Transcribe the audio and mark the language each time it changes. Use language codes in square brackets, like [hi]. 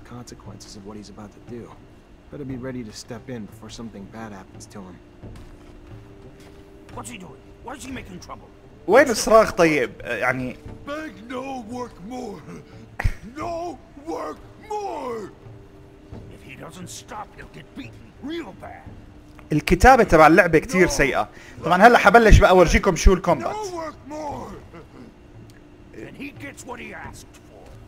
[en] Consequences of what he's about to do. Better be ready to step in before something bad happens to him. What's he doing? Why is he making trouble? [ar] وين الصراخ طيب؟ يعني [en] beg no work more. No work more. If he doesn't stop, he'll get beaten real bad. [ar] الكتابة تبع اللعبة كتير سيئة. طبعا هلا حبلش بقى اورجيكم شو الكومبات. [en] No work more. And he gets what he asked for.